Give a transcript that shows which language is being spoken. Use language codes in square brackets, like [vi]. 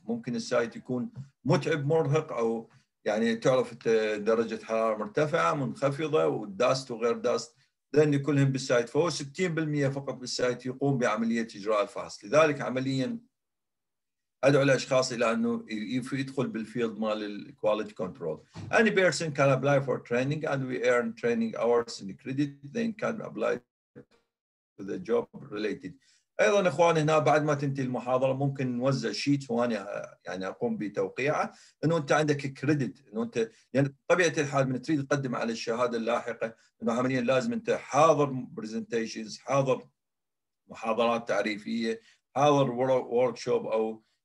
[ar] ممكن السايت يكون متعب مرهق او يعني تعرف درجه حراره مرتفعه منخفضه والداست وغير داست ذني كلهم بالسايت. فهو 60% فقط بالسايت يقوم بعمليه اجراء الفحص. لذلك عمليا ادعو الاشخاص الى انه يدخل بالفيلد مال الكواليتي كنترول. [en] Any person can apply for training and we earn training hours in the credit then can apply to the job related. [ar] ايضا اخوان هنا بعد ما تنتهي المحاضره ممكن نوزع شيت وانا يعني اقوم بتوقيعه انه انت عندك كريدت انه انت يعني طبيعه الحال من تريد تقدم على الشهاده اللاحقه انه عمليا لازم انت حاضر برزنتيشنز حاضر محاضرات تعريفيه حاضر ورك شوب او